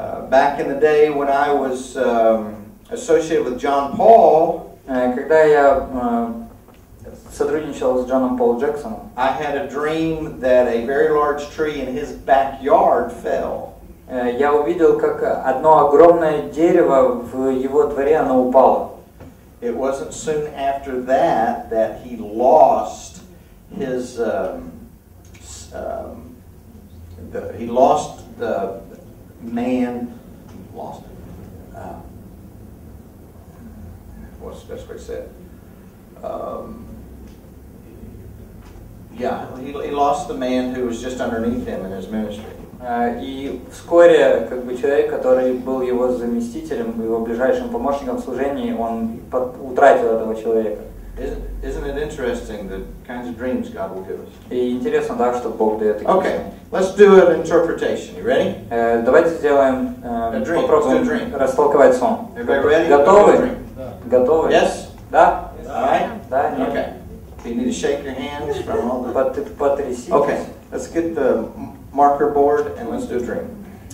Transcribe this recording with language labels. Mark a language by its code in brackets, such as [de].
[en] Back in the day when I was associated with John Paul, [ru] когда я сотрудничал с Джоном Пол Джексоном. [en] I had a dream that a very large tree in his backyard fell. [ru] Я увидел, как одно огромное дерево в его дворе, оно упало. [en] It wasn't soon after that that he lost his he lost the man who was just underneath him in his ministry. [ru] И вскоре, как бы, человек, который был его заместителем, его ближайшим помощником в служении, он утратил этого человека. [en] Isn't it interesting the kinds of dreams God will give us? [ru] И интересно, да, что Бог дает такие. [en] Okay, let's do an interpretation. You ready? [ru] Давайте сделаем попробуем растолковать сон. [en] Everybody ready? [ru] Готовы? Готовы? [en] Yes. [ru] Да. [en] Right. [ru] Да. Нет. [en] Okay. Do you need to shake your hands from all the? [ru] Потрясите. [en] Okay. Let's get the marker board and let's do a dream.